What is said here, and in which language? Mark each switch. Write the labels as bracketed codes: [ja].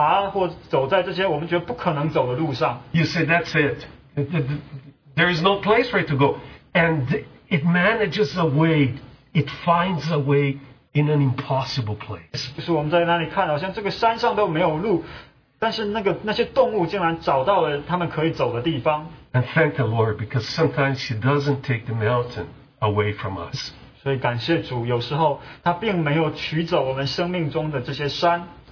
[zh] 就是我想不知道弟兄姊妹们有没有在电视上看到过，就是那些母鹿或者那些动物在山上在那里行走，好像他们就是爬或走在这些我们觉得不可能走的路上。 [en] You say that's it. There is no place for it to go. And it manages a way, it finds a way in an impossible place. [zh] 就是我们在那里看，好像这个山上都没有路。但是那个那些动物竟然找到了他们可以走的地方。 [en] And thank the Lord, because sometimes He doesn't take the mountain away from us. [zh] 所以感谢主，有时候他并没有取走我们生命中的这些山。